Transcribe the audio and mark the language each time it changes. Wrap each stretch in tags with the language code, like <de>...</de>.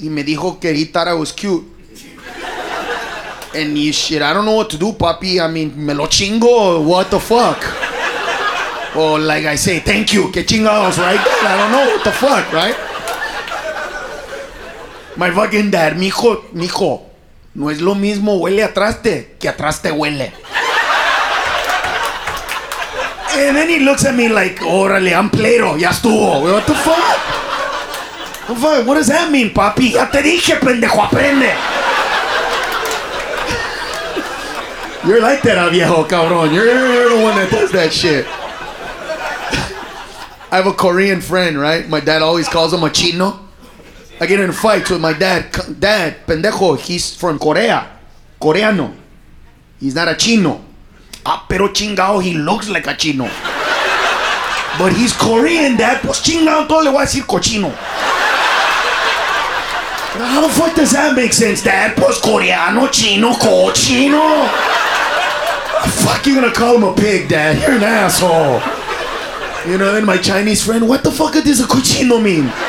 <es>Y me dijo que</es> <en>he thought I was cute. And you shit, I don't know what to do, papi. I mean,</en> <es>me lo chingo,</es> <en>what the fuck? Or like I say, thank you,</en> <es>que chingados,</es> <en>right? Dad, I don't know, what the fuck, right? My fucking dad, mijo.</en> <es>No es lo mismo huele a traste que a traste huele.</es> <en>And then he looks at me like,</en> <es>órale,</es> <en>I'm Plato,</en> <es>ya estuvo.</es> <en>What the fuck? What does that mean, papi?</en> <es>Ya te dije, pendejo, aprende.</es> <en>You're like that,</en> <es>viejo, cabrón.</es> <en>You're the one that does that shit. I have a Korean friend, right? My dad always calls him a chino. I get in fights with my dad. Dad, pendejo, he's from Korea. Coreano. He's not a chino.</en> <es>Ah, pero chingao,</es> <en>he looks like a chino. But he's Korean, dad.</en> <es>Pues chingao, todo le voy a decir cochino.</es> <en>How the fuck does that make sense, dad?</en> <es>Pues coreano, chino, cochino.</es> <en>Fuck, you gonna call him a pig, dad? You're an asshole. You know, and my Chinese friend, what the fuck does a cochino mean?</en>